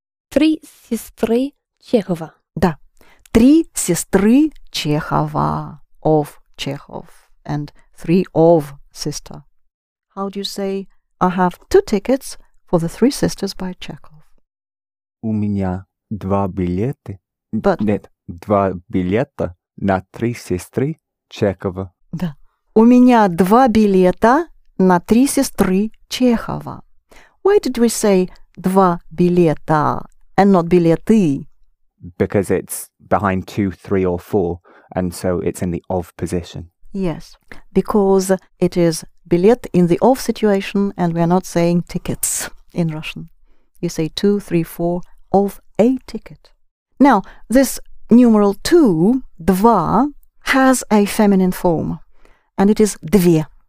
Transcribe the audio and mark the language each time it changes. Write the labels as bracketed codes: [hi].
[ru] Три сестры Чехова. Да. Три сестры Чехова. [en] Of Chekhov. And three of sister. How do you say, I have two tickets for the three sisters by Chekhov? [ru] У меня два билета. [en] But... [ru] Нет, два билета на три сестры Чехова. Да. У меня два билета на три сестры Чехова. [en] Why did we say [ru] два билета [en] and not билеты? Because it's behind two, three or four, and so it's in the of position. Yes, because it is билет in the of situation, and we are not saying tickets in Russian. You say two, three, four of a ticket. Now, this numeral two, два, has a feminine form, and it is две.